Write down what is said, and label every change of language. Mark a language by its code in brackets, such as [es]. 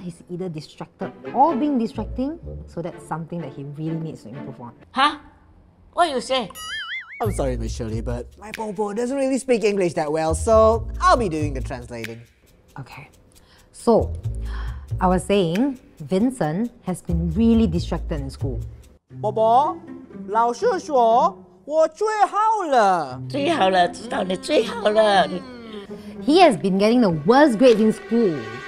[en] He's either distracted or being distracting. So that's something that he really needs to improve on. Huh? What you say? I'm sorry, Miss Shirley, but my popo doesn't really speak English that well, so I'll be doing the translating. Okay. So, I was saying, Vincent has been really distracted in school. [zh] Popo, 老师说我最好了。最好了，知道你最好了。 [en] He has been getting the worst grades in school.